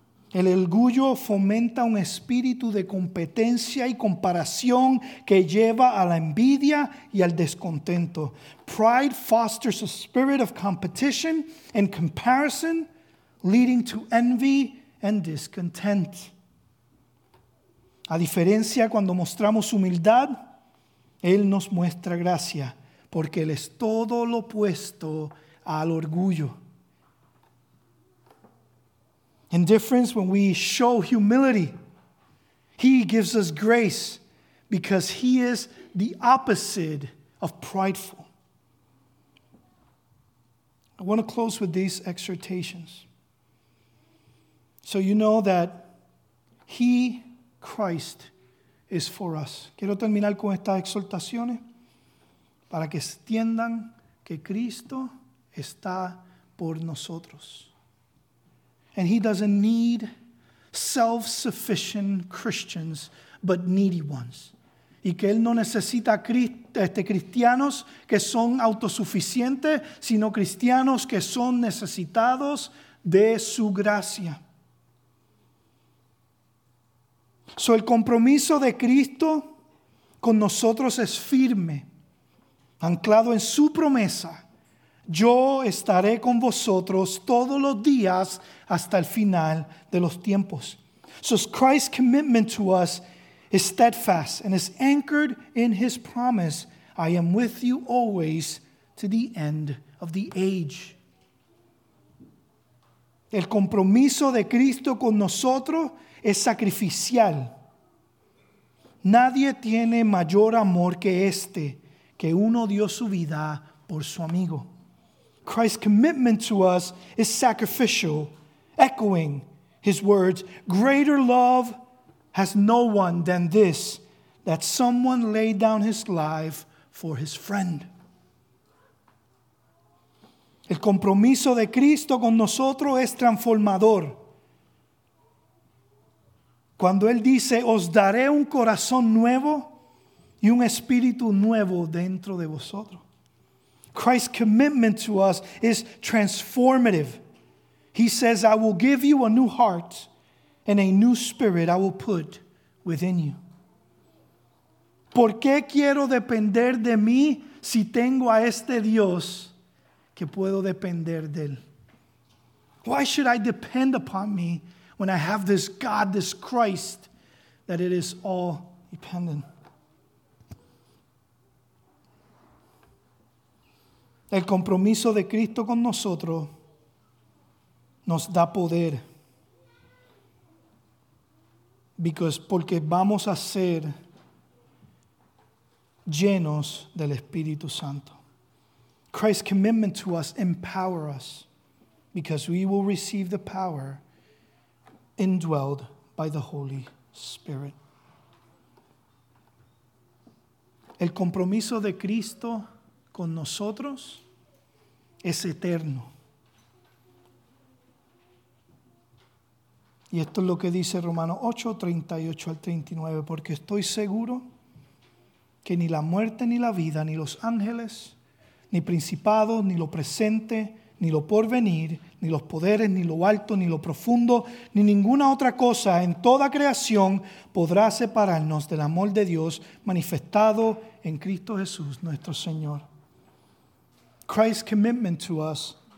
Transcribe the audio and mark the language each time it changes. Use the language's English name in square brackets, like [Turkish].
[Spanish] El orgullo fomenta un espíritu de competencia y comparación que lleva a la envidia y al descontento. [English] Pride fosters a spirit of competition and comparison, leading to envy and discontent. [Spanish] A diferencia, cuando mostramos humildad, Él nos muestra gracia, porque Él es todo lo opuesto al orgullo. [English] Indifference, when we show humility, He gives us grace because He is the opposite of prideful. I want to close with these exhortations. So you know that He, Christ, is for us. [Spanish] Quiero terminar con estas exhortaciones para que entiendan que Cristo está por nosotros. [English] And He doesn't need self-sufficient Christians, but needy ones. [Spanish] Y que Él no necesita cristianos que son autosuficientes, sino cristianos que son necesitados de su gracia. So el compromiso de Cristo con nosotros es firme, anclado en su promesa. Yo estaré con vosotros todos los días hasta el final de los tiempos. [English] So Christ's commitment to us is steadfast and is anchored in His promise, I am with you always to the end of the age. [Spanish] El compromiso de Cristo con nosotros es sacrificial. Nadie tiene mayor amor que este, que uno dio su vida por su amigo. [English] Christ's commitment to us is sacrificial, echoing His words, greater love has no one than this, that someone laid down his life for his friend. [Spanish] El compromiso de Cristo con nosotros es transformador. Cuando Él dice, os daré un corazón nuevo y un espíritu nuevo dentro de vosotros. [English] Christ's commitment to us is transformative. He says, I will give you a new heart and a new spirit I will put within you. [Spanish] ¿Por qué quiero depender de mí si tengo a este Dios que puedo depender de él? [English] Why should I depend upon me when I have this God, this Christ, that it is all dependent? [Spanish] El compromiso de Cristo con nosotros nos da poder. Porque vamos a ser llenos del Espíritu Santo. [English] Christ's commitment to us empowers us because we will receive the power indwelled by the Holy Spirit. [Spanish] El compromiso de Cristo con nosotros es eterno. Y esto es lo que dice Romanos 8, 38 al 39. Porque estoy seguro que ni la muerte, ni la vida, ni los ángeles, ni principados, ni lo presente, ni lo porvenir, ni los poderes, ni lo alto, ni lo profundo, ni ninguna otra cosa en toda creación podrá separarnos del amor de Dios manifestado en Cristo Jesús, nuestro Señor. [English] Christ's commitment to us